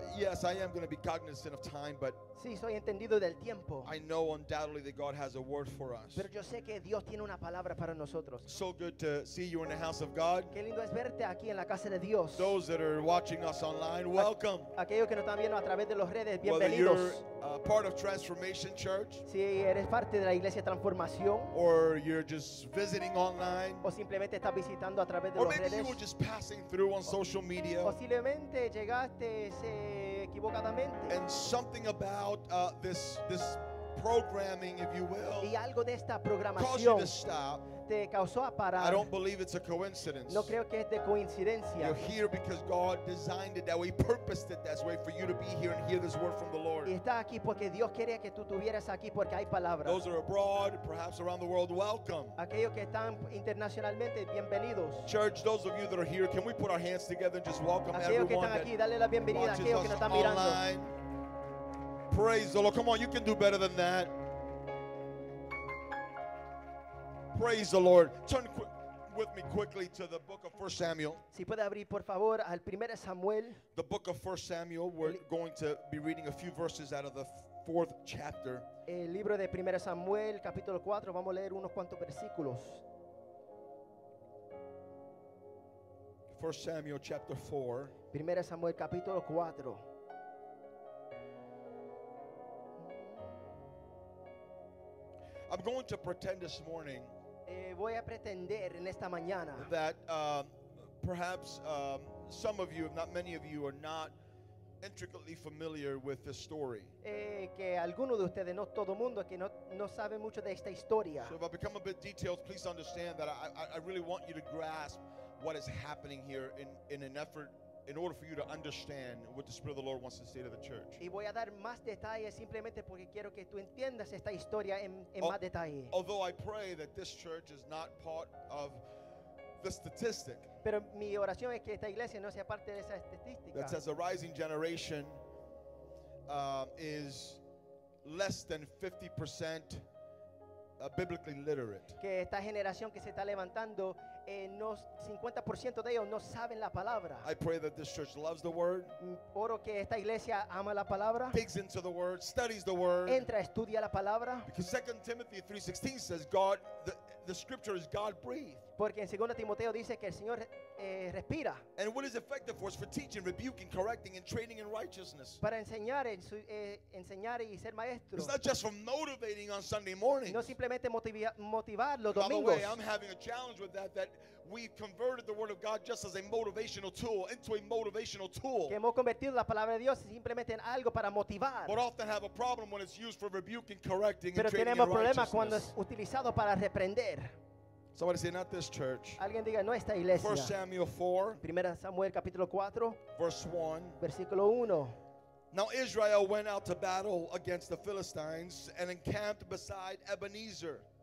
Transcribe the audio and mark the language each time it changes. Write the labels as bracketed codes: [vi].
[en] Yes, I am going to be cognizant of time, but [es] sí, soy entendido del tiempo. [en] I know undoubtedly that God has a word for us. [es] Pero yo sé que Dios tiene una palabra para nosotros. [en] So good to see you in the house of God. [es] Qué lindo es verte aquí en la casa de Dios. [en] Those that are watching us online, welcome. [es] Aquellos que nos están viendo a través de las redes, bienvenidos. [en] Whether you're part of Transformation Church, [es] si eres parte de la iglesia Transformación, [en] or you're just visiting online, [es] o simplemente estás visitando a través de las redes, [en] or maybe you were just passing through on social media, [es] posiblemente llegaste equivocadamente, [en] and something about this programming, if you will, [es] y algo de esta programación [en] caused you to stop. [es] Te causó a parar. [en] I don't believe it's a coincidence. [es] No creo que es de coincidencia. [en] You're here because God designed it that way, purposed it that way for you to be here and hear this word from the Lord. [es] Y está aquí porque Dios quería que tú estuvieras aquí porque hay palabra. [en] Those are abroad, perhaps around the world, welcome. [es] Aquellos que están internacionalmente, bienvenidos. [en] Church, those of you that are here, can we put our hands together and just welcome [es] aquellos [en] everyone [es] que están aquí, [en] that [es] dale la bienvenida [en] watches [es] a aquellos [en] us [es] que nos están [en] online. [es] Mirando. [en] Praise the Lord. Come on, you can do better than that. Praise the Lord. Turn with me quickly to the book of 1 Samuel. [es] Si puede abrir, por favor, al 1 Samuel. [en] The book of 1 Samuel. We're going to be reading a few verses out of the fourth chapter. [es] El libro de 1 Samuel, capítulo 4. Vamos a leer unos cuantos versículos. [en] 1 Samuel, chapter 4. [es] 1 Samuel, capítulo 4. [en] I'm going to pretend this morning [es] voy a pretender en esta mañana [en] that perhaps some of you, if not many of you, are not intricately familiar with this story. [es] Que alguno de ustedes, no todo mundo, que no sabe mucho de esta historia. [en] So if I become a bit detailed, please understand that I really want you to grasp what is happening here in an effort, in order for you to understand what the Spirit of the Lord wants to say to the church. [es] Y voy a dar más detalles simplemente porque quiero que tú entiendas esta historia en más detalle. [en] Although I pray that this church is not part of the statistic. [es] Pero mi oración es que esta iglesia no sea parte de esa estadística. [en] That says a rising generation is less than 50% biblically literate. [es] Que esta generación que se está levantando, no 50% de ellos no saben la palabra. [en] I pray that this church loves the word. [es] Oro que esta iglesia ama la palabra. [en] Digs into the word, studies the word. [es] Entra, estudia la palabra. [en] Because 2 Timothy 3:16 says God, the scripture is God breathed. [es] Porque en 2 Timoteo dice que el Señor respira. [en] And what is effective for us? For teaching, rebuking, correcting, and training in righteousness. [es] Para enseñar, enseñar y ser maestro. [en] It's not just for motivating on Sunday mornings. [es] No simplemente motivar los domingos. [en] By the way, I'm having a challenge with that we've converted the word of God just as a motivational tool into a motivational tool. [es] Que hemos convertido la palabra de Dios simplemente en algo para motivar. [en] But often have a problem when it's used for rebuking, correcting, [es] pero [en] and training in [es] tenemos problemas Cuando es utilizado para reprender. [en] Somebody say, not this church. [es] Alguien diga, no esta iglesia. [en] 1 Samuel 4. [es] 1 Samuel capítulo 4. [en] Verse 1. [es] Versículo 1. [en] Now Israel went out to battle against the Philistines and encamped beside Ebenezer.